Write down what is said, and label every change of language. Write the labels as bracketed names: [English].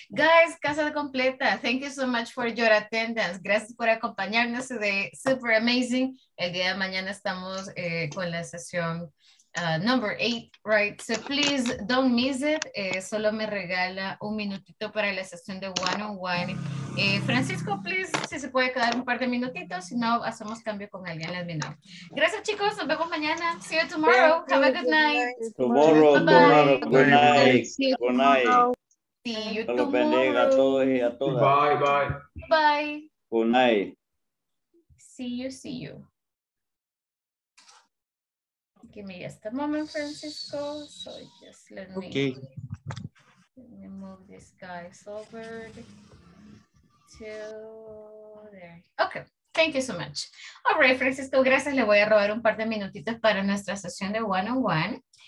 [English] Guys, Casa Completa, thank you so much for your attendance. [Spanish] Gracias por acompañarnos [English] today. Super amazing. [Spanish] El día de mañana estamos con la sesión number 8, right? [English] So please don't miss it. [Spanish] Solo me regala un minutito para la sesión de 101. Francisco, please, si se puede quedar un par de minutitos, si no, hacemos cambio con alguien, [English] let me know. [Spanish] Gracias, chicos. Nos vemos mañana. [English] See you tomorrow. Thank Have you. A good night. Tomorrow. Bye-bye. Tomorrow. Good night. Good night. See you tomorrow. Bye-bye. Bye. Good night. See you. Give me just a moment, Francisco. So just let me move these guys over to there. Okay. Thank you so much. All right, Francisco, gracias. [Spanish] Le voy a robar un par de minutitos para nuestra sesión de one-on-one.